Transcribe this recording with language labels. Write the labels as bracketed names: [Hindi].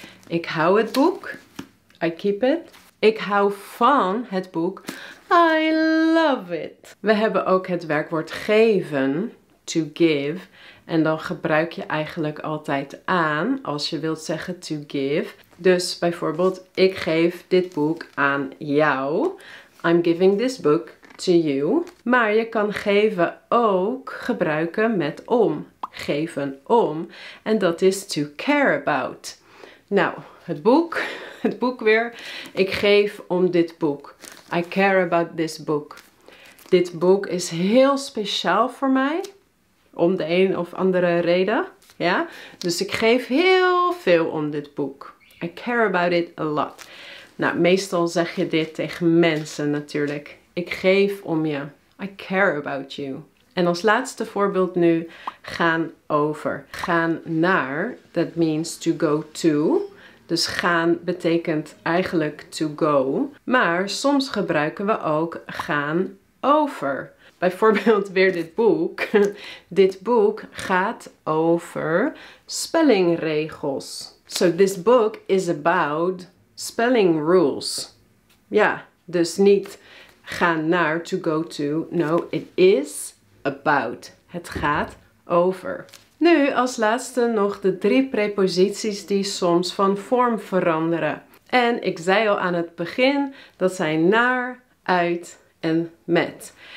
[Dutch] Ik hou het boek. [English] I keep it. [Dutch] Ik hou van het boek. [English] I love it. [Dutch] We hebben ook het werkwoord geven, [English] to give. [Dutch] En dan gebruik je eigenlijk altijd aan als je wilt zeggen [English] to give. [Dutch] Dus bijvoorbeeld, ik geef dit boek aan jou. [English] I'm giving this book to you. [Dutch] Maar je kan geven ook gebruiken met om. Geven om. En dat is [English] to care about. [Dutch] Nou, het boek weer. Ik geef om dit boek. [English] I care about this book. [Dutch] Dit boek is heel speciaal voor mij. Om de een of andere reden. Ja? Dus ik geef heel veel om dit boek. [English] I care about it a lot. [Dutch] Nou, meestal zeg je dit tegen mensen natuurlijk. Ik geef om je. [English] I care about you. [Dutch] En als laatste voorbeeld nu, gaan over. Gaan naar, [English] that means to go to. [Dutch] Dus gaan betekent eigenlijk [English] to go. [Dutch] Maar soms gebruiken we ook gaan over. Bijvoorbeeld weer dit boek. Dit boek gaat over spellingregels. [English] So this book is about spelling rules. [Dutch] Ja, dus niet gaan naar, [English] to go to. No, it is about. [Dutch] Het gaat over. Nu als laatste nog de drie preposities die soms van vorm veranderen. En ik zei al aan het begin, dat zijn naar, uit en met.